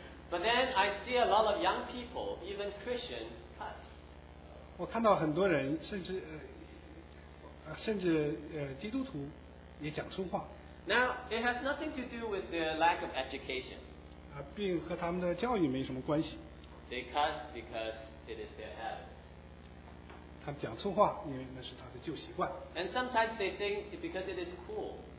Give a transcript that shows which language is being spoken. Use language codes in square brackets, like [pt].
[en] But then I see a lot of young people, even Christians, cuss. [zh] 我看到很多人，甚至基督徒也讲粗话。 [en] Now it has nothing to do with their lack of education. [zh] 并和他们的教育没什么关系。 [en] They cuss because it is their habit. [zh] 他们讲粗话，因为那是他的旧习惯。 [en] And sometimes they think because it is cool.